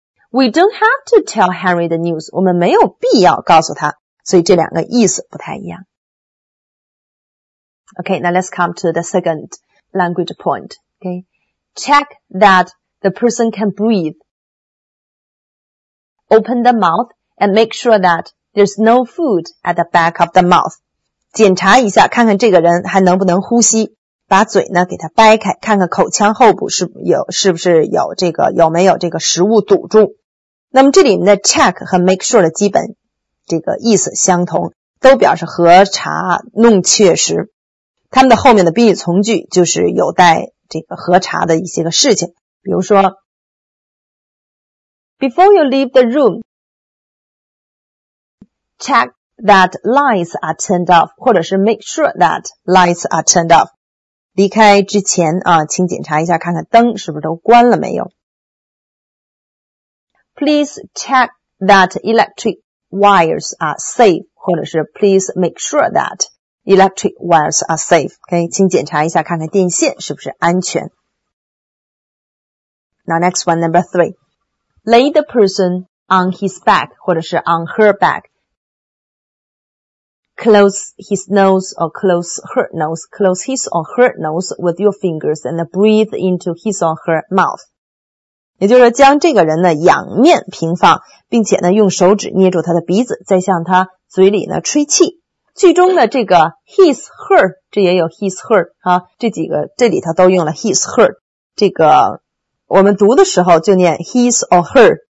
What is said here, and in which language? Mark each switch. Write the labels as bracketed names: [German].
[English] We don't have to tell Henry the news， [Chinese] 我们没有必要告诉他，所以这两个意思不太一样。 [English] OK， now let's come to the second language point、okay? Check that the person can breathe. Open the mouth and make sure that there's no food at the back of the mouth. [Chinese] 检查一下，看看这个人还能不能呼吸，把嘴呢给他掰开，看看口腔后部是不是有没有这个食物堵住。那么这里面的 check 和 make sure 的基本这个意思相同，都表示核查弄确实。他们的后面的宾语从句就是有待这个核查的一些个事情，比如说 [English] Before you leave the room check that lights are turned off， [Chinese] 或者是 [English] make sure that lights are turned off， [Chinese] 离开之前啊，请检查一下，看看灯是不是都关了没有。 [English] Please check that electric wires are safe， [Chinese] 或者是 [English] Please make sure that electric wires are safe。 [Chinese] OK， 请检查一下，看看电线是不是安全。 [English] Now next one, number three. Lay the person on his back， 或者是 on her back. Close his nose or close her nose. Close his or her nose with your fingers and breathe into his or her mouth. [Chinese] 也就是将这个人呢仰面平放，并且呢用手指捏住他的鼻子，再向他嘴里呢吹气。剧中的这个 his her， 这也有 his her 啊，这几个这里头都用了 his her， 这个我们读的时候就念 his or her。